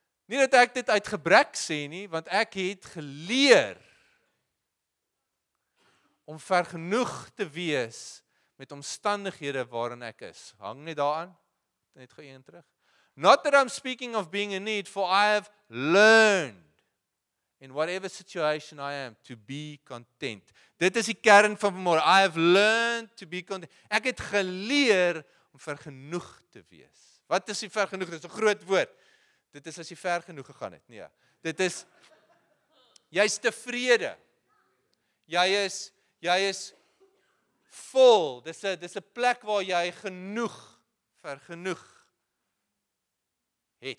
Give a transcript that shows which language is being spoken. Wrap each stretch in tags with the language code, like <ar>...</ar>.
<af>Nie dat ek dit uit gebrek sê nie, want ek het geleer, om vergenoeg te wees, met omstandighede waarin ek is. Hang net daaraan, net gou een terug.</af> <en>Not that I'm speaking of being in need, for I have learned in whatever situation I am to be content.</en> <af>Dit is die kern van vanmôre.</af> <en>I have learned to be content.</en> <af>Ek het geleer om vergenoeg te wees. Wat is die vergenoeg? Dit is 'n groot woord. Dit is as jy ver genoeg gegaan het. Nee. Dit is jy's tevrede. Jy is vol, dis a plek waar jy genoeg, vergenoeg het.</af>